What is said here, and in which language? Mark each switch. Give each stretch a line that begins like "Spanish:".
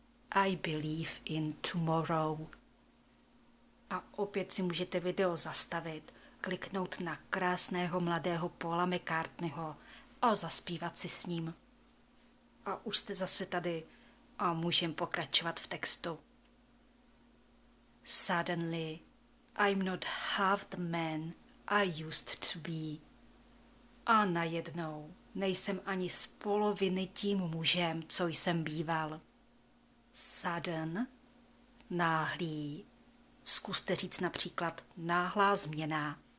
English: I believe in tomorrow.
Czech: A opět si můžete video zastavit, kliknout na krásného mladého Paula McCartneyho a zaspívat si s ním. A už jste zase tady a můžeme pokračovat v textu.
English: Suddenly, I'm not half the man I used to be.
Czech: A najednou nejsem ani z poloviny tím mužem, co jsem býval. Sudden, náhlý. Zkuste říct například náhlá změna.